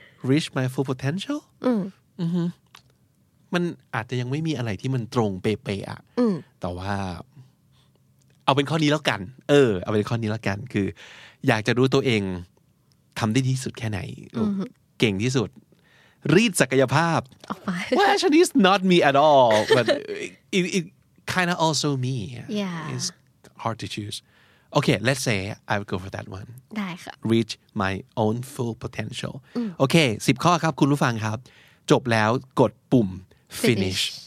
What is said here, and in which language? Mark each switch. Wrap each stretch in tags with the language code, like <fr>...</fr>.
<en>reach my full potential</en> <th>มันอาจจะยังไม่มีอะไรที่มันตรงเป๊ะๆอ่ะแต่ว่าเอาเป็นข้อนี้แล้วกันเอาเป็นข้อนี้แล้วกันคืออยากจะรู้ตัวเองทำได้ที่สุดแค่ไหนเก่งที่สุดรีดศักยภาพ</th> <en>Well actually it's not me at all but it kind of also me yeah it's hard to choose Okay, let's say I would go for that one.</en> <th>ได้ค่ะ</th> <en>Reach my own full potential.</en> <th>Okay, 10ข้อครับคุณผู้ฟังครับจบแล้วกดปุ่ม finish.</th>